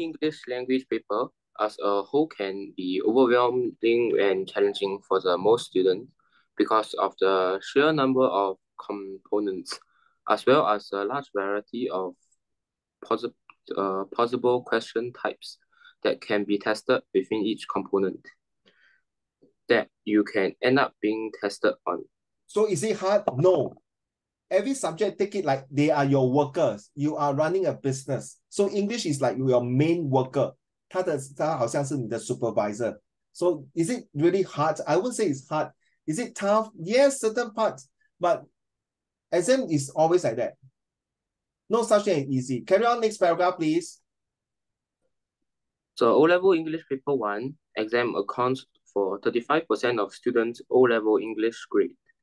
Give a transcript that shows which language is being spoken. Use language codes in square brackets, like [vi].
[en] English language paper as a whole can be overwhelming and challenging for the most students because of the sheer number of components, as well as a large variety of possible question types that can be tested within each component that you can end up being tested on. So is it hard? No. Every subject, take it like they are your workers. You are running a business. So English is like your main worker. [zh] 他好像是你的 supervisor. [en] So is it really hard? I wouldn't say it's hard. Is it tough? Yes, certain parts. But exam is always like that. No such thing easy. Carry on next paragraph, please. So O-level English paper 1 exam accounts for 35% of students' O-level English grade.